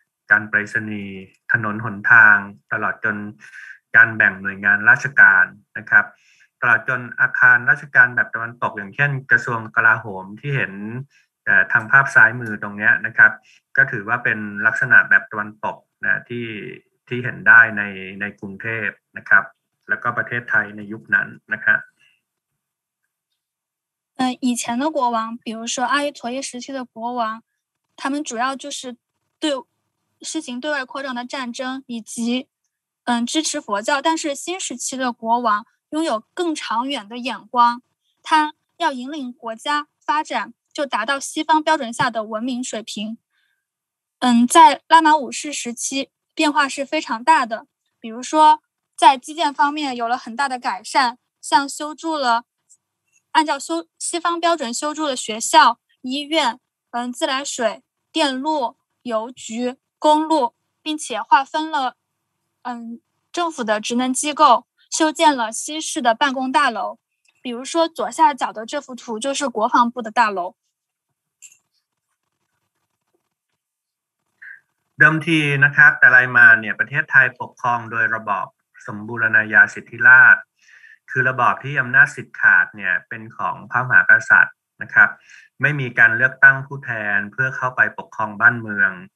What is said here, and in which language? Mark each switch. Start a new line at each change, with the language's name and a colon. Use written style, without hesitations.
Thai: การไปรษณีย์ถนนหนทางตลอดจนการแบ่งหน่วยงานราชการนะครับตลอดจนอาคารราชการแบบตะวันตกอย่างเช่นกระทรวงกลาโหมที่เห็นทางภาพซ้ายมือตรงนี้นะครับก็ถือว่าเป็นลักษณะแบบตะวันตกนะที่เห็นได้ในกรุงเทพนะครับแล้วก็ประเทศไทยในยุคนั้นนะครับ
Chinese: 以前的国王比如说阿育陀耶时期的国王他们主要就是对实行对外扩张的战争以及支持佛教，但是新时期的国王拥有更长远的眼光，他要引领国家发展就达到西方标准下的文明水平。在拉玛五世时期变化是非常大的，比如说在基建方面有了很大的改善，像修筑了按照西方标准修筑的学校、医院、自来水、电路、邮局、公路，并且划分了政府的职能机构，修建了西式的办公大楼，比如说左下角的这幅图就是国防部的大楼。
Thai: เดิมทีนะครับแต่ไรมาเนี่ยประเทศไทยปกครองโดยระบอบสมบูรณาญาสิทธิราชคือระบอบที่อำนาจสิทธิขาดเนี่ยเป็นของพระมหากษัตริย์นะครับไม่มีการเลือกตั้งผู้แทนเพื่อเข้าไปปกครองบ้านเมือง